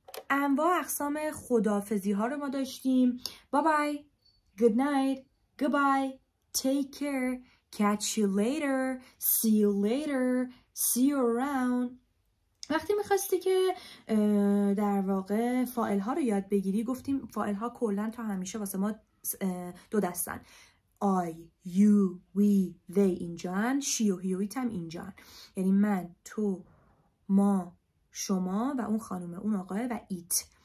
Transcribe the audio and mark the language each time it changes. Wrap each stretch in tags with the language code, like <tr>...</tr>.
<fa>انواع اقسام خدافزی ها رو ما داشتیم.</fa> <en>Bye bye, good night, goodbye, take care, catch you later, see you later, see you around.</en> <fa>وقتی میخواستی که در واقع فاعل ها رو یاد بگیری، گفتیم فاعل ها کلن تا همیشه واسه ما دو دستن.</fa> <en>I, you, we, they اینجان، she و he و it هم اینجان.</en> <fa>یعنی من، تو، ما، شما و اون خانومه، اون آقای و ایت.</fa>